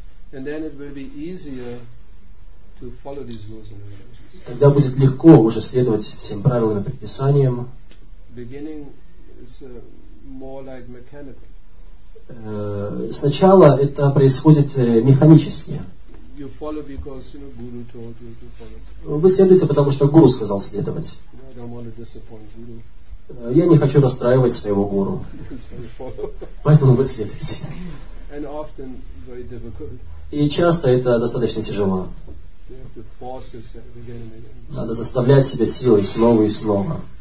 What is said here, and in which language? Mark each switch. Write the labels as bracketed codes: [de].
[en] And then it will be easier to follow these rules and regulations. [ru] Тогда будет легко уже следовать всем правилам и предписаниям. [en] Beginning is more like mechanical. [ru] Сначала это происходит механически. [en] You follow because, you know, guru told you to follow. [ru] Вы следуете, потому что гуру сказал следовать. [en] I don't want to disappoint guru. [ru] Я не хочу расстраивать своего гуру. Поэтому вы следуете. [en] And often very difficult. [ru] И часто это достаточно тяжело. Надо заставлять себя силой снова и снова.